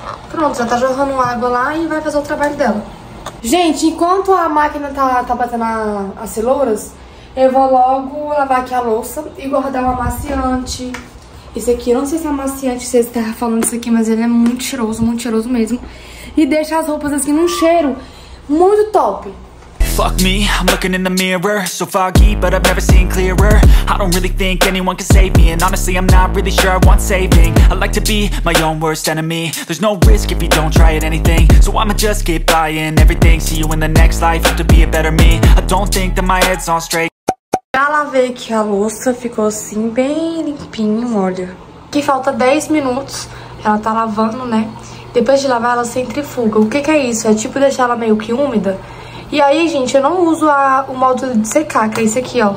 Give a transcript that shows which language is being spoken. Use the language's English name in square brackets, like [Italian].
[Portuguese] Pronto, já tá jorrando água lá e vai fazer o trabalho dela. Gente, enquanto a máquina tá batendo as cenouras, eu vou logo lavar aqui a louça e guardar o amaciante. Esse aqui, não sei se é amaciante, vocês estavam falando isso aqui, mas ele é muito cheiroso mesmo. E deixa as roupas assim num cheiro muito top. [English] Fuck me, I'm looking in the mirror. So foggy, but I've never seen clearer. I don't really think anyone can save me. And honestly, I'm not really sure I want saving. I like to be my own worst enemy. There's no risk if you don't try at anything. So I'ma just keep buying everything. See you in the next life, hope to be a better me. I don't think that my head's on straight. [Portuguese] Já lavei aqui a louça, ficou assim bem limpinho, olha. Aqui falta 10 minutos, ela tá lavando, né? Depois de lavar ela centrifuga. O que que é isso? É tipo deixar ela meio que úmida. E aí, gente, eu não uso o modo de secar, que é esse aqui, ó.